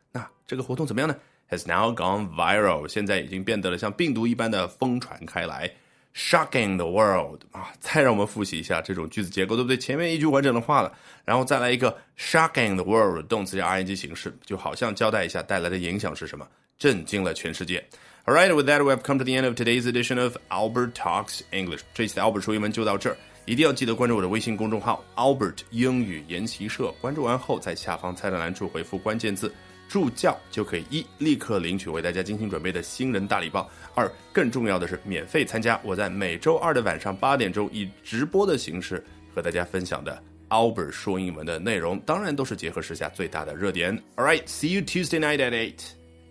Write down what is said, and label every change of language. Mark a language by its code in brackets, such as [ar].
[zh] 那这个活动怎么样呢？ [en] Has now gone viral， [zh] 现在已经变得了像病毒一般的疯传开来。 Shocking the world、啊、再让我们复习一下这种句子结构，对不对？前面一句完整的话了，然后再来一个 Shocking the world， 动词加 ing 形式，就好像交代一下带来的影响是什么，震惊了全世界。 [en] Alright, with that we have come to the end of today's edition of Albert Talks English。 [zh] 这次的 Albert 说英文就到这儿，一定要记得关注我的微信公众号 Albert 英语研习社，关注完后在下方菜单栏处回复关键字助教，就可以一立刻领取为大家精心准备的新人大礼包，二更重要的是免费参加我在每周二的晚上8点以直播的形式和大家分享的 Albert 说英文的内容，当然都是结合时下最大的热点。 [en] Alright, see you Tuesday night at 8.